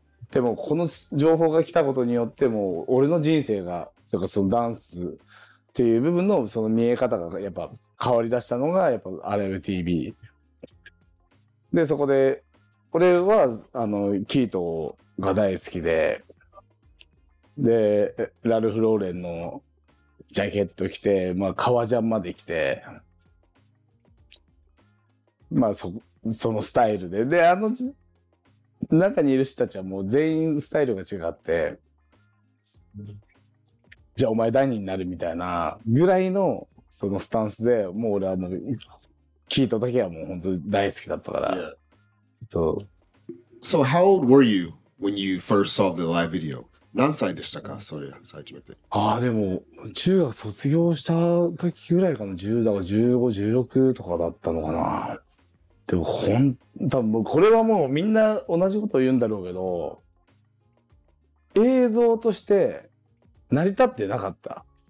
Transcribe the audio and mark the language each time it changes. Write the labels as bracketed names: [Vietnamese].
[Japanese] でもこの情報が来たことによっても俺の人生がとか、そのダンスっていう部分のその見え方がやっぱ変わりだしたのがやっぱアライブ TV で、そこで、俺は、キートが大好きで、で、ラルフ・ローレンのジャケット着て、まあ、革ジャンまで着て、まあ、そのスタイルで。で、中にいる人たちはもう全員スタイルが違って、じゃあお前ダニーになるみたいなぐらいの、そのスタンスで、もう俺はもう、聞いた時はもう本当に大好きだったから。 [English] Yeah. [Japanese] そう。 [English] So how old were you when you first saw the live video? [Japanese] 何歳でしたか、それ初めて。ああ、でも、中学卒業した時ぐらいかな。 10だか15、16とかだったのかな。でも本当、もうこれはもうみんな同じことを言うんだろうけど、映像として成り立ってなかった。